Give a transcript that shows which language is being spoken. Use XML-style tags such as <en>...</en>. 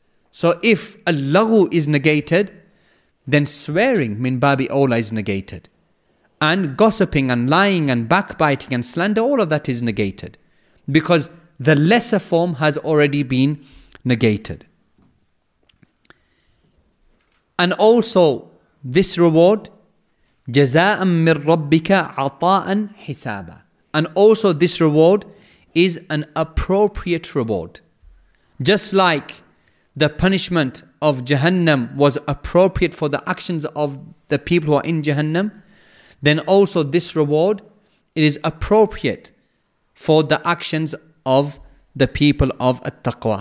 <en>So if a laghu is negated, then swearing, min babi awla, is negated. And gossiping and lying and backbiting and slander, all of that is negated. Because the lesser form has already been negated. And also, this reward,</en> <ar>جَزَاءً مِّن رَبِّكَ عَطَاءً حِسَابًا.</ar> <en>And also, this reward is an appropriate reward. Just like the punishment of Jahannam was appropriate for the actions of the people who are in Jahannam, then also this reward, it is appropriate for the actions of the people of At-Taqwa.</en>